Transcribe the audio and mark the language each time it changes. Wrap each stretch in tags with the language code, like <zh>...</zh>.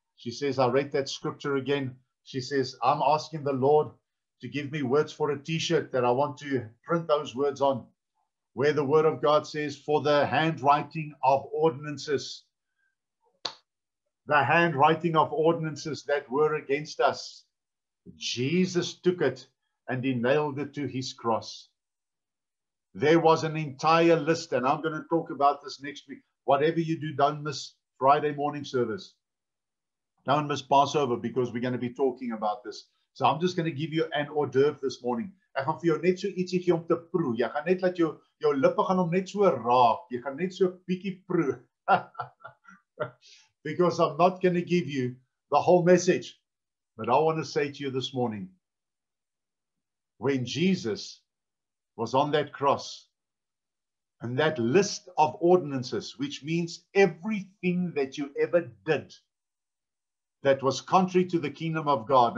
<en>She says, I read that scripture again. She says, I'm asking the Lord to give me words for a t-shirt that I want to print those words on, where the word of God says, for the handwriting of ordinances, the handwriting of ordinances that were against us, Jesus took it and he nailed it to his cross. There was an entire list, and I'm going to talk about this next week. Whatever you do, don't miss Friday morning service. Don't miss Passover, because we're going to be talking about this. So I'm just going to give you an hors d'oeuvre this morning.</en> <af>Ek gaan vir jou net so ietsie om te proe. Jy gaan net laat jou lippe gaan om net so raak. Jy gaan net so bietjie proe.</af> <en>Because I'm not going to give you the whole message. But I want to say to you this morning, when Jesus was on that cross, and that list of ordinances, which means everything that you ever did that was contrary to the kingdom of God.</en>